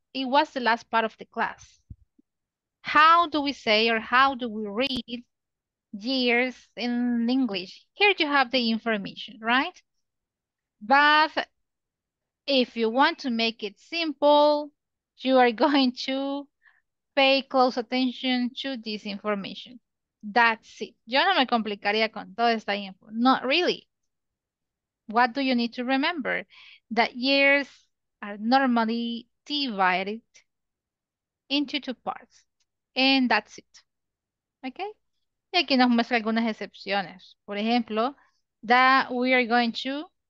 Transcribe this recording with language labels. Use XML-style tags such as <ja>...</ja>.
<en>It was the last part of the class. How do we say or how do we read years in English? Here you have the information, right? But if you want to make it simple, you are going to pay close attention to this information. That's it.</en> <es>Yo no me complicaría con toda esta info.</es> <en>Not really. What do you need to remember? That years are normally divided into two parts. And that's it. Okay?</en> <es>Y aquí nos muestra algunas excepciones. Por ejemplo,</es> <en>that we are going to</en>